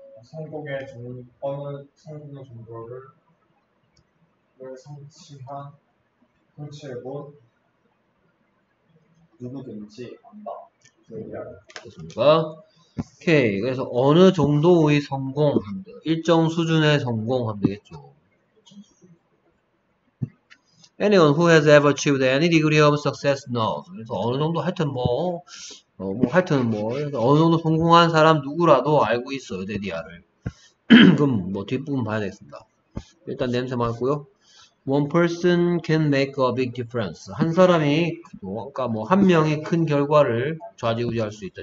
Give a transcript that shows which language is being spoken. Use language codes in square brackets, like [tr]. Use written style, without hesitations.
[ko] 성공의 정, 어느 성공의 정도를 성취한 성취해 본 누구든지 안다. 좋습니까? 오케이. 그래서 어느 정도의 성공, 일정 수준의 성공 하면 되겠죠. [en] Anyone who has ever achieved any degree of success knows. [ko] 그래서 어느 정도 하여튼 뭐, 하여튼 뭐, 어느 정도 성공한 사람 누구라도 알고 있어요, 데디아를. 그럼 뭐 뒷부분 봐야 되겠습니다. 일단 냄새 맡고요. [en] One person can make a big difference. [ko] 한 사람이, 뭐, 아까 뭐, 한 명이 큰 결과를 좌지우지할 수 있다.